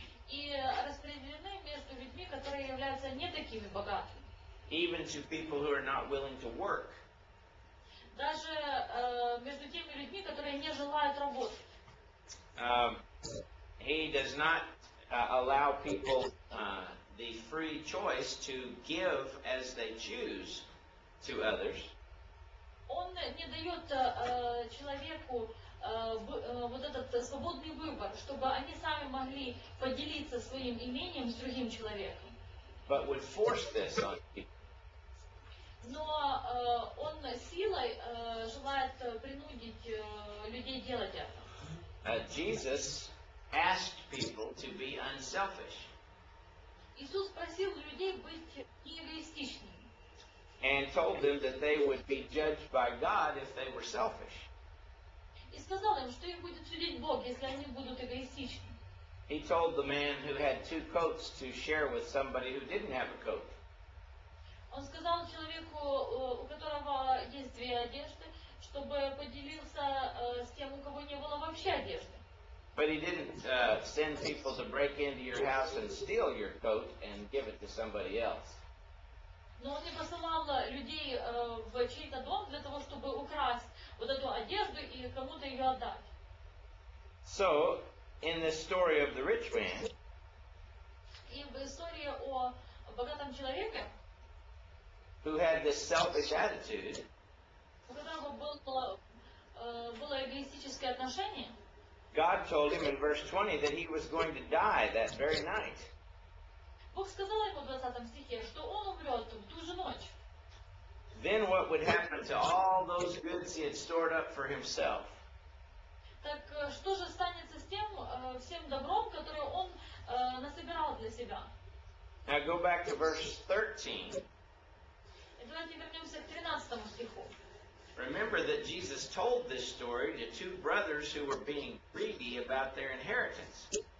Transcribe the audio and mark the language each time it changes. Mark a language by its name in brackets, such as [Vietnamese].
[Russian] И распределены между людьми, которые являются не такими богатыми. [English] Even to people who are not willing to work. [Russian] Даже между теми людьми, которые не желают работать. [English] He does not allow people the free choice to give as they choose to others. [Russian] Он не дает человеку вот этот свободный выбор, чтобы они сами могли поделиться своим имением с другим человеком. [English] But would force this on people. [Russian] Но он силой желает принудить людей делать это. [English] Jesus asked people to be unselfish. [Russian] Иисус просил людей быть неэгоистичными. [English] And told them that they would be judged by God if they were selfish. [Russian] И сказал им, что их будет судить Бог, если они будут эгоистичны. [English] He told the man who had two coats to share with somebody who didn't have a coat. [Russian] Он сказал человеку, у которого есть две одежды, чтобы поделился с тем, у кого не было вообще одежды. [English] But he didn't send people to break into your house and steal your coat and give it to somebody else. [Russian] Но он не посылал людей в чей-то дом для того, чтобы украсть вот эту одежду и кому-то ее отдать. [English] So, in the story of the rich man, [Russian] и в истории о богатом человеке, [English] who had this selfish attitude, [Russian] у которого было эгоистическое отношение, [English] God told him in verse 20 that he was going to die that very night. [Russian] Бог сказал ему в 20 стихе, что он умрет в ту же ночь. [English] Then what would happen to all those goods he had stored up for himself? [Russian] Так что же станется с тем всем добром, которое он насобирал для себя? [English] Now go back to verse 13. [Russian] Давайте вернемся к 13 стиху. [English] Remember that Jesus told this story to two brothers who were being greedy about their inheritance.